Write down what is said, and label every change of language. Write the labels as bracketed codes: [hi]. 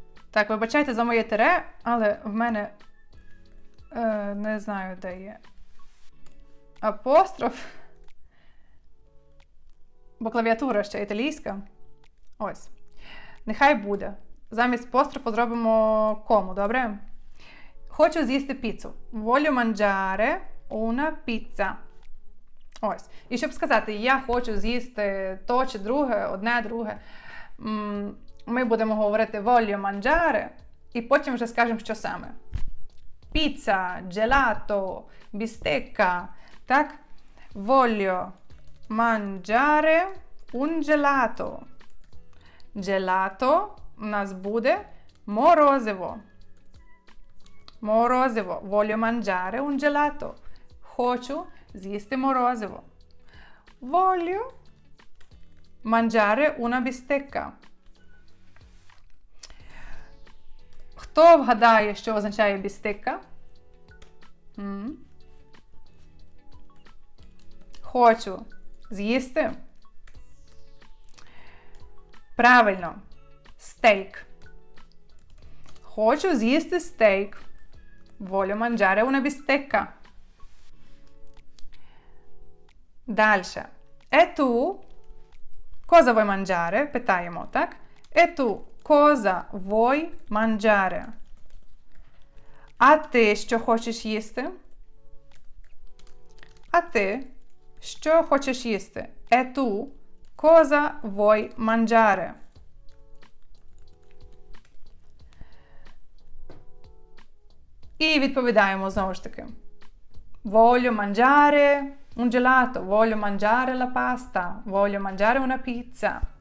[uk] Так, вибачайте за моє тире, але в мене не знаю, де є апостроф. Бо клавіатура ще італійська. Ось. Нехай буде. Замість апострофу зробимо кому, добре? Хочу з'їсти піцу. [it] Voglio mangiare una pizza. [uk] Ось. І щоб сказати, я хочу з'їсти то чи друге, одне, друге, ми будемо говорити voglio mangiare і потім вже скажемо, що саме. Піца, gelato, бістекка, так? [it] Voglio mangiare un gelato. [uk] Gelato у нас буде морозиво. Морозиво. [it] Voglio mangiare un gelato. [uk] Хочу з'їсти морозиво. [it] Voglio mangiare una bistecca. [uk] Хто вгадає, що означає бістекка? Хочу з'їсти. Правильно. Стейк. Хочу з'їсти стейк. [it] Voglio mangiare una bistecca. [uk] Далі. [it] E tu? Cosa vuoi mangiare? [uk] Питаємо, так? [it] E tu? Cosa vuoi mangiare? A te [uk] що хочеш їсти? [it] A te [uk] що хочеш їсти? [it] E tu? Cosa vuoi mangiare? [uk] І відповідаємо знову ж таки. [it] Voglio mangiare un gelato. Voglio mangiare la pasta. Voglio mangiare una pizza.